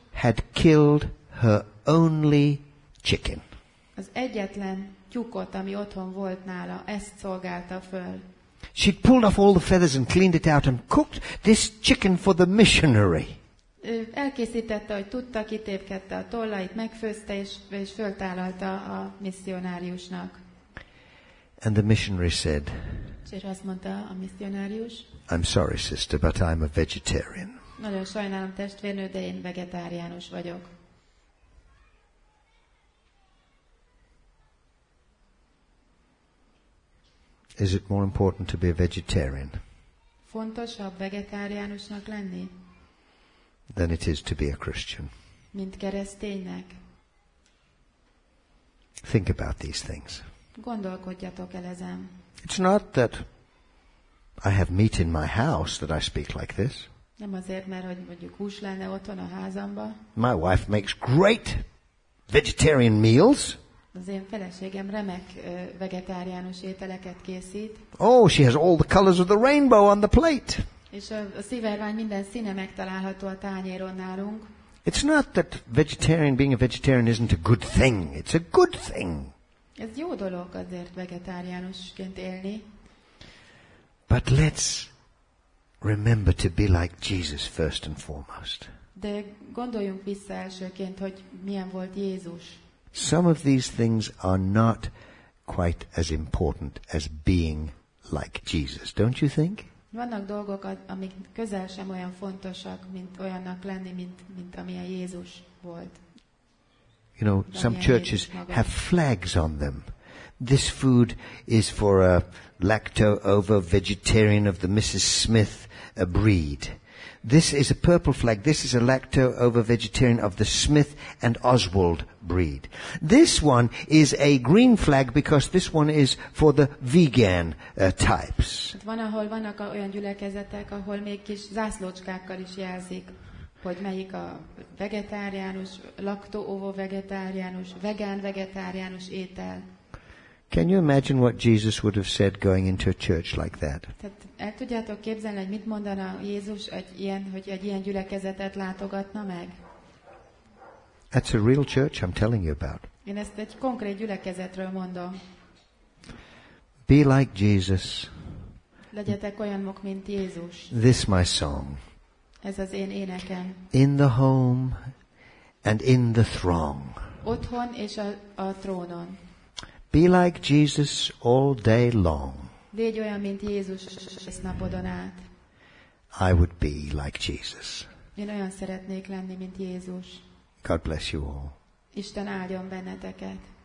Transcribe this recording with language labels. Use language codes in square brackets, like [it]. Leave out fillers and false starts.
[en] She had killed her only chicken. [hu] Az egyetlen tyúkot, ami otthon volt nála, ezt szolgálta föl. [en] She'd pulled off all the feathers and cleaned it out and cooked this chicken for the missionary. [hu] Elkészítette, hogy tudta, kitépkedte a tollait, megfőzte és föltálalta a misszionáriusnak. [en] And the missionary said, [hu] és azt mondta a misszionárius, [en] I'm sorry, sister, but I'm a vegetarian. [hu] Nagyon sajnálom, testvérnő, de én vegetáriánus vagyok. [en] Is it more important to be a vegetarian? [hu] Fontosabb vegetáriánusnak lenni? [en] Than it is to be a Christian. [hu] Mint kereszténynek. [en] Think about these things. [hu] Gondolkodjatok el ezen. [en] It's not that I have meat in my house that I speak like this. [hu] Nem azért, mert hogy mondjuk hús lenne otthon a házamba. [en] My wife makes great vegetarian meals. [hu] Az én feleségem remek vegetáriánus ételeket készít. [en] Oh, she has all the colors of the rainbow on the plate. [hu] És a szivárvány minden színe megtalálható a tányéron nálunk. [en] It's not that vegetarian being a vegetarian isn't a good thing. It's a good thing. [hu] Ez jó dolog azért vegetáriánusként élni. [en] But let's remember to be like Jesus first and foremost. [hu] De gondoljunk vissza elsőként, hogy milyen volt Jézus. [en] Some of these things are not quite as important as being like Jesus, don't you think? [hu] Vannak dolgok, amik közel sem olyan fontosak, mint olyannak lenni, mint amilyen Jézus volt. [en] You know, some churches have flags on them. This food is for a lacto-ovo vegetarian of the Mrs. Smith breed. This is a purple flag. This is a lacto-ovo vegetarian of the Smith and Oswald breed. This one is a green flag because this one is for the vegan types. [hu] Van, ahol vannak olyan gyülekezetek, ahol még kis zászlócskákkal is jelzik, hogy melyik a vegetáriánus, lacto-ovo vegetáriánus, vegán vegetáriánus étel. [en] Can you imagine what Jesus would have said going into a church like that? [hu] El tudjátok képzelni, hogy mit mondana Jézus egy ilyen gyülekezetet látogatna meg? [en] That's a real church I'm telling you about. [hu] Én ezt egy konkrét gyülekezetről mondom. [en] Be like Jesus. [hu] Legyetek olyanok, mint Jézus. [en] This my song. [hu] Ez az én énekem. [en] In the home and in the throng. [hu] Otthon és a trónon. [en] Be like Jesus all day long. [hu] Légy olyan, mint Jézus egész napodon át. [en] I would be like Jesus. [hu] Én olyan szeretnék lenni, mint Jézus. [en] God bless you all. [hu] Isten áldjon benneteket.